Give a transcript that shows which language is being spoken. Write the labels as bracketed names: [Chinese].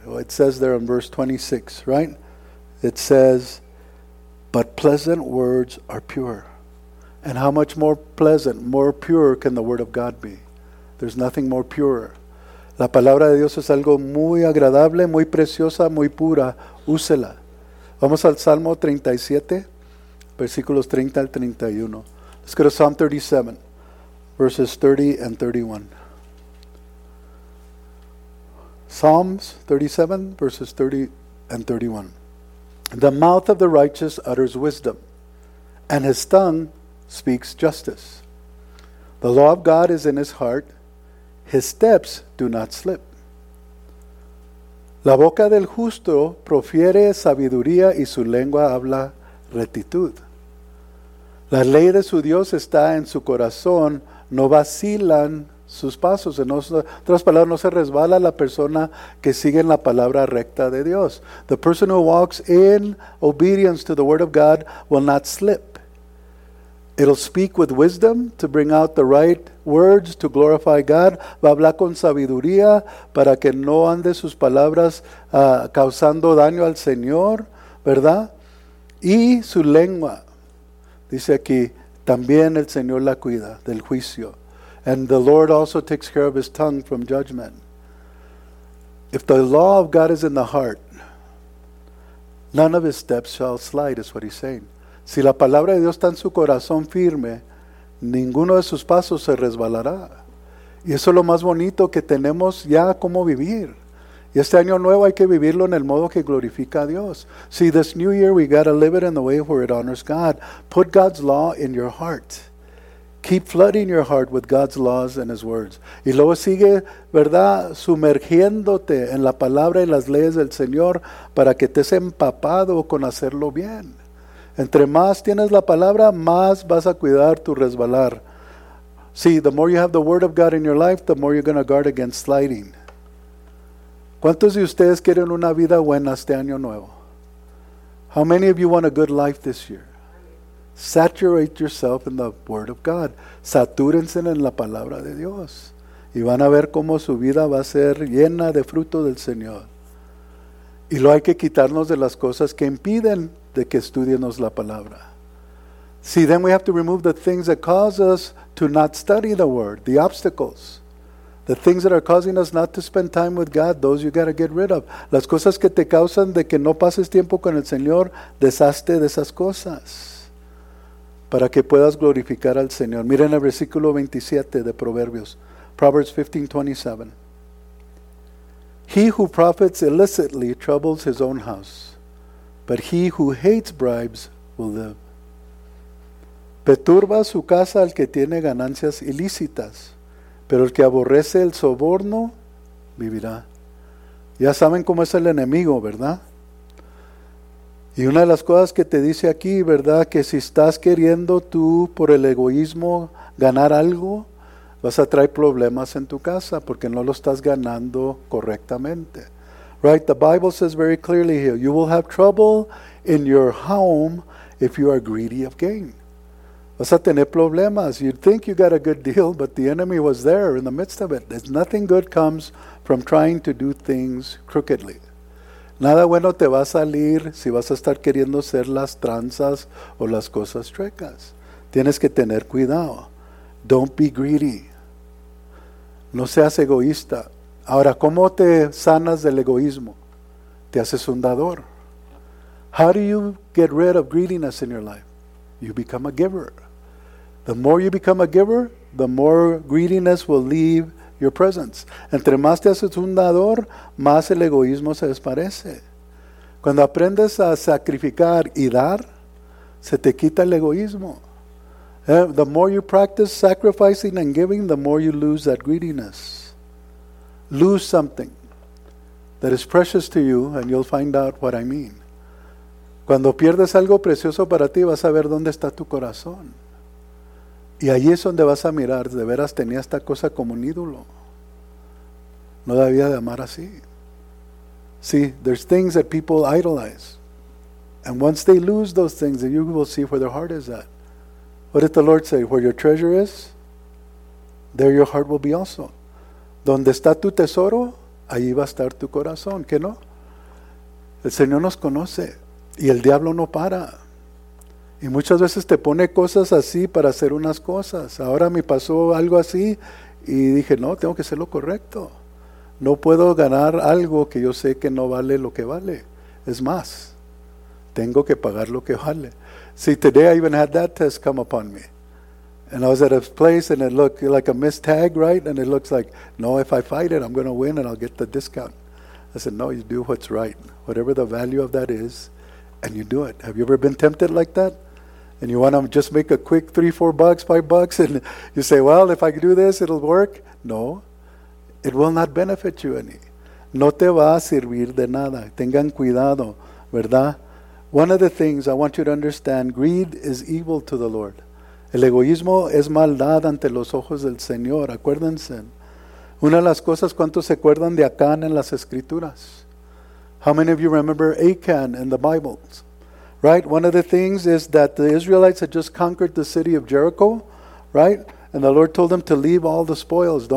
[English] It says there in verse 26, right? It says, but pleasant words are pure. And how much more pleasant, more pure can the word of God be? There's nothing more pure. [Spanish] La palabra de Dios es algo muy agradable, muy preciosa, muy pura. Úsela. Vamos al Salmo 37, versículos 30 al 31. [English] Let's go to Psalm 37, verses 30 and 31. Psalms 37, verses 30 and 31. The mouth of the righteous utters wisdom, and his tongue speaks justice. The law of God is in his heart. His steps do not slip. [Spanish] La boca del justo profiere sabiduría y su lengua habla rectitud. La ley de su Dios está en su corazón, no vacilan sus pasos. En otras palabras, no se resbala la persona que sigue en la palabra recta de Dios. [English] The person who walks in obedience to the word of God will not slip. It'll speak with wisdom to bring out the right words to glorify God. [Spanish] Va a hablar con sabiduría para que no ande sus palabras causando daño al Señor, ¿verdad? Y su lengua, dice aquí, también el Señor la cuida del juicio. [English] And the Lord also takes care of his tongue from judgment. If the law of God is in the heart, none of his steps shall slide, is what he's saying. [Spanish] Si la palabra de Dios está en su corazón firme, ninguno de sus pasos se resbalará. Y eso es lo más bonito que tenemos ya cómo vivir. Y este año nuevo hay que vivirlo en el modo que glorifica a Dios. [English] See, this new year we got to live it in the way where it honors God. Put God's law in your heart. Keep flooding your heart with God's laws and his words. [Spanish] Y luego sigue, ¿verdad?, sumergiéndote en la palabra y las leyes del Señor para que estés empapado con hacerlo bien. Entre más tienes la palabra, más vas a cuidar tu resbalar. [English] See, the more you have the word of God in your life, the more you're going to guard against sliding. [Spanish] ¿Cuántos de ustedes quieren una vida buena este año nuevo? [English] How many of you want a good life this year? Saturate yourself in the Word of God. [Spanish] Satúrense en la palabra de Dios. Y van a ver cómo su vida va a ser llena de fruto del Señor. Y lo hay que quitarnos de las cosas que impiden de que estudiemos la palabra. [English] See, then we have to remove the things that cause us to not study the Word, the obstacles. The things that are causing us not to spend time with God, those you got to get rid of. [Spanish] Las cosas que te causan de que no pases tiempo con el Señor, deshazte de esas cosas. Para que puedas glorificar al Señor. Miren el versículo 27 de Proverbios. [English] Proverbs 15:27. He who profits illicitly troubles his own house, but he who hates bribes will live. [Spanish] Perturba su casa al que tiene ganancias ilícitas, pero el que aborrece el soborno vivirá. Ya saben cómo es el enemigo, ¿verdad? Y una de las cosas que te dice aquí, ¿verdad? Que si estás queriendo tú por el egoísmo ganar algo, vas a traer problemas en tu casa porque no lo estás ganando correctamente. [English] Right? The Bible says very clearly here, you will have trouble in your home if you are greedy of gain. [Spanish] Vas a tener problemas. [English] You'd think you got a good deal, but the enemy was there in the midst of it. There's nothing good comes from trying to do things crookedly. [Spanish] Nada bueno te va a salir si vas a estar queriendo hacer las tranzas o las cosas chuecas. Tienes que tener cuidado. [English] Don't be greedy. [Spanish] No seas egoísta. Ahora, ¿cómo te sanas del egoísmo? Te haces un dador. [English] How do you get rid of greediness in your life? You become a giver. The more you become a giver, the more greediness will leave your presence. [Spanish] Entre más te haces un dador, más el egoísmo se desaparece. Cuando aprendes a sacrificar y dar, se te quita el egoísmo. [English] The more you practice sacrificing and giving, the more you lose that greediness. Lose something that is precious to you, and you'll find out what I mean. [Spanish] Cuando pierdes algo precioso para ti, vas a ver dónde está tu corazón. Y ahí es donde vas a mirar, de veras tenía esta cosa como un ídolo. No debía de amar así. [English] See, there's things that people idolize. And once they lose those things, then you will see where their heart is at. What did the Lord say? Where your treasure is, there your heart will be also. [Spanish] Donde está tu tesoro, ahí va a estar tu corazón. ¿Qué no? El Señor nos conoce. Y el diablo no para. Y muchas veces te pone cosas así para hacer unas cosas. Ahora me pasó algo así y dije, no, tengo que hacer lo correcto. No puedo ganar algo que yo sé que no vale lo que vale. Es más, tengo que pagar lo que vale. [English] See, today I even had that test come upon me. And I was at a place and it looked like a missed tag, right? And it looks like, no, if I fight it, I'm going to win and I'll get the discount. I said, no, you do what's right. Whatever the value of that is, and you do it. Have you ever been tempted like that? And you want to just make a quick $3, $4, $5, and you say, well, if I do this, it'll work. No, it will not benefit you any. [Spanish] No te va a servir de nada. Tengan cuidado, ¿verdad? [English] One of the things I want you to understand, greed is evil to the Lord. [Spanish] El egoísmo es maldad ante los ojos del Señor. Acuérdense. Una de las cosas, ¿cuántos se acuerdan de Acán en las Escrituras? [English] How many of you remember Achan in the Bible? Right? One of the things is that the Israelites had just conquered the city of Jericho, right? And the Lord told them to leave all the spoils.